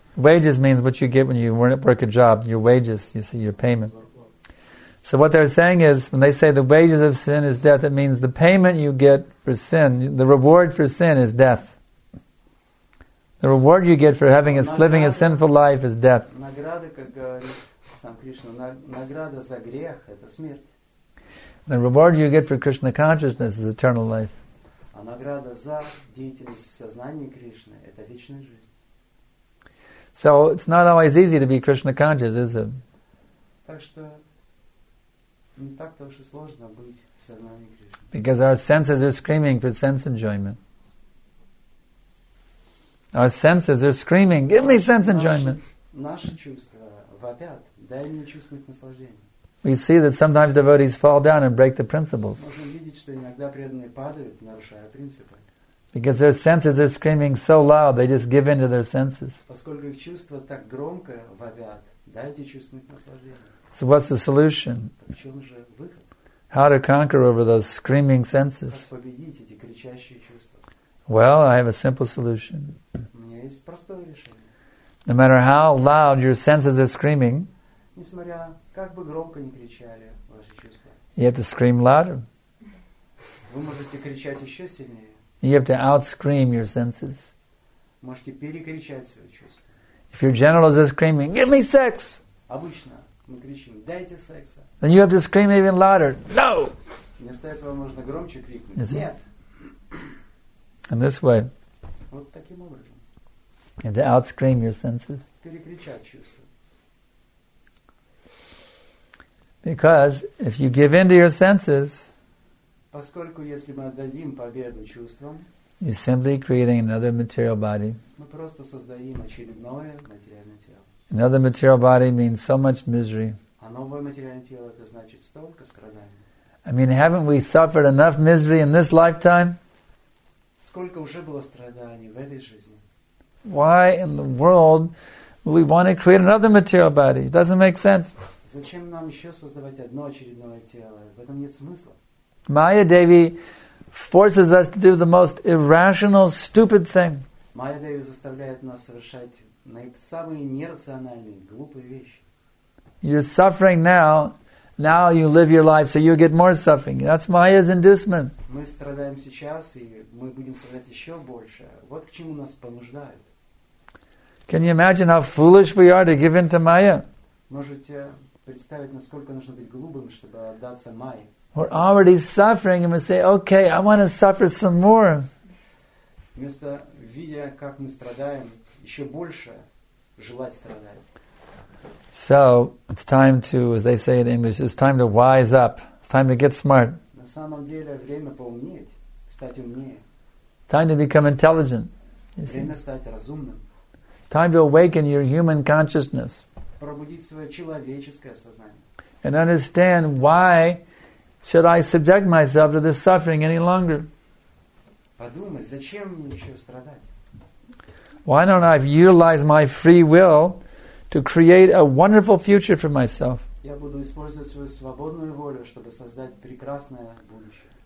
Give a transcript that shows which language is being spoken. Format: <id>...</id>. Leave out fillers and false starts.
<en>Wages means what you get when you work a job, your wages, you see, your payment. So what they're saying is, when they say the wages of sin is death, it means the payment you get for sin, the reward for sin is death. The reward you get for having living a sinful life is death.</en> <ru>Награда, как говорит сам Кришна, награда за грех – это смерть.</ru> <en>The reward you get for Krishna consciousness is eternal life.</en> <ru>А награда за деятельность в сознании Кришны – это вечная жизнь.</ru> <en>So it's not always easy to be Krishna conscious, is it?</en> <ru>Так что не так-то уж и сложно быть в сознании Кришны.</ru> <en>Because our senses are screaming for sense enjoyment. Our senses are screaming, give me sense enjoyment.</en> <ru>Наши чувства вопят, дай мне чувствовать наслаждение.</ru> <en>We see that sometimes devotees fall down and break the principles.</en> <ru>Можно видеть, что иногда преданные падают, нарушая принципы.</ru> <en>Because their senses are screaming so loud, they just give in to their senses.</en> <ru>Поскольку их чувства так громко вопят, дайте чувствовать наслаждение.</ru> <en>So what's the solution?</en> <ru>Так в чем же выход?</ru> <en>How to conquer over those screaming senses?</en> <ru>Как победить эти кричащие чувства?</ru> <en>Well, I have a simple solution.</en> <ru>У меня есть простое решение.</ru> <en>No matter how loud your senses are screaming,</en> <ru>несмотря как бы громко не кричали ваши чувства,</ru> <en>you have to scream louder.</en> <ru>Вы можете кричать еще сильнее.</ru> <en>You have to out-scream your senses.</en> <ru>Можете перекричать свои чувства.</ru> <en>If your genitals are screaming, give me sex!</en> <ru>Обычно мы кричим, дайте секса.</ru> <en>Then you have to scream even louder, no!</en> <ru>Вместо этого можно громче крикнуть, нет!</ru> <en>In this way.</en> <ru>Вот таким образом.</ru> <en>You have to out-scream your senses.</en> <ru>Перекричать чувства.</ru> <en>Because if you give in to your senses,</en> <ru>поскольку если мы отдадим победу чувствам,</ru> <en>you're simply creating another material body.</en> <ru>Мы просто создаем очередное материальное тело.</ru> <en>Another material body means so much misery.</en> <ru>А новое материальное тело это значит столько страданий.</ru> <en>I mean, haven't we suffered enough misery in this lifetime?</en> <ru>Сколько уже было страданий в этой жизни?</ru> <en>Why in the world we want to create another material body? It doesn't make sense.</en> <ru>Зачем нам еще создавать одно очередное тело? В этом нет смысла.</ru> <en>Maya Devi forces us to do the most irrational, stupid thing.</en> <ru>Maya Devi заставляет нас совершать самые нерациональные, глупые вещи.</ru> <en>You're suffering now. Now you live your life, so you get more suffering. That's Maya's inducement.</en> <ru>Мы страдаем сейчас, и мы будем страдать еще больше. Вот к чему нас понуждают.</ru> <en>Can you imagine how foolish we are to give in to Maya?</en> <ru>Можете представить, насколько нужно быть глупым, чтобы отдаться Майе?</ru> <en>We're already suffering, and we say, "Okay, I want to suffer some more."</en> <ru>Вместо видя, как мы страдаем, еще больше желать страдать.</ru> <en>So it's time to, as they say in English, it's time to wise up. It's time to get smart.</en> <ru>На самом деле время поумнеть, стать умнее.</ru> <en>Time to become intelligent.</en> <ru>Время стать разумным.</ru> <en>Time to awaken your human consciousness.</en> <ru>Пробудить свое человеческое сознание.</ru> <en>And understand why. Should I subject myself to this suffering any longer?</en> <ru>Подумай, зачем мне еще страдать?</ru> <en>Why don't I utilize my free will to create a wonderful future for myself?</en> <ru>Я буду использовать свою свободную волю, чтобы создать прекрасное будущее.</ru>